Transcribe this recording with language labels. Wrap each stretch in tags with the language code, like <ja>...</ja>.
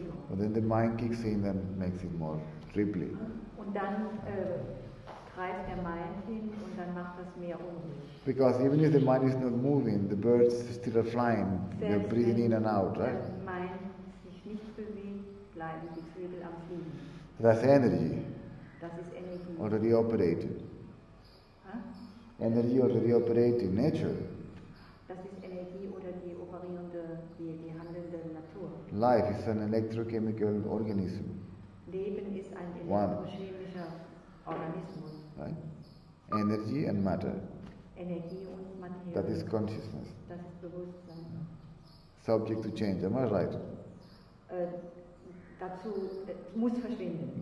<en>And then the mind kicks in and makes it more ripply.</en> <de>Und dann, treibt der mind hin und dann macht das Meer unruhig.</de> <en>Because even if the mind is not moving, the birds still are flying. They're breathing in and out, right?</en> <de>Wenn der mind sich nicht bewegt, bleiben die Vögel am Fliegen.</de> <en>So that's energy.</en> <de>Das ist Energie.</de> <en>Already operating. Huh? Energy already operating nature.</en> <de>Das ist Energie oder die operierende, die handelnde Natur.</de> <en>Life is an electrochemical organism.</en> <de>Leben ist ein elektrochemischer Organismus.</de> <en>Right? Energy and matter.</en> <de>Energie und Materie.</de> <en>That is consciousness.</en> <de>Das ist Bewusstsein.</de> <en>Subject to change. Am I right?</en> <de>Dazu muss verschwinden.</de>